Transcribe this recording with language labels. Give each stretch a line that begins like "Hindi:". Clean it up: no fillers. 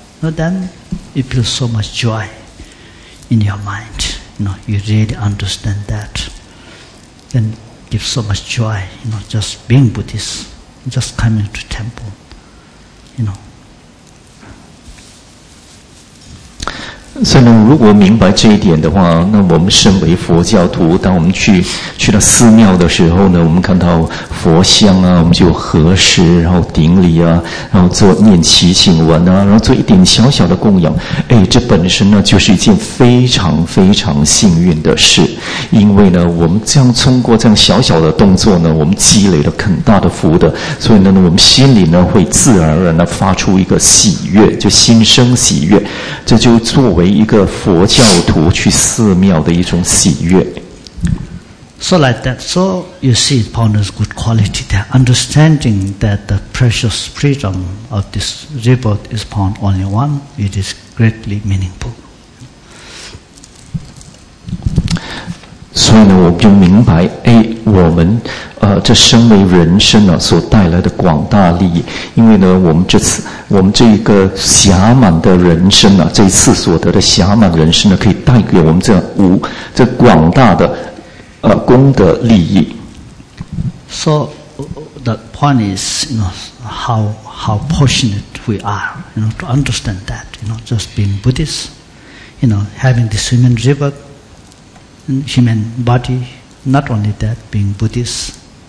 English: You know, then you feel so much joy in your mind. You know, you really understand that. Then give so much joy, you know, just being Buddhist, just coming to temple, you know.
Chinese: 所以呢，如果明白这一点的话，那我们身为佛教徒，当我们去到寺庙的时候呢，我们看到佛像啊，我们就合十，然后顶礼啊，然后做念祈请文啊，然后做一点小小的供养，哎，这本身呢就是一件非常非常幸运的事，因为呢，我们这样通过这样小小的动作呢，我们积累了很大的福德，所以呢，我们心里呢会自然而然的发出一个喜悦，就心生喜悦，这就做。为一个佛教徒去寺庙的一种喜悦。
English: So like that. So you see, Pawner's good quality. The understanding that the precious freedom of this rebirth is upon only one. It is greatly meaningful.
Chinese: 所以呢，我就明白，哎，我们。这身为人生啊所带来的广大利益，因为呢，我们这一个狭满的人生啊，这一次所得的狭满人生呢，可以带给我们这广大的功德利益。
English: So the point is, you know, how fortunate we are, you know, to understand that, you know, just being Buddhist, you know, having this human river, human body, not only that, being Buddhist.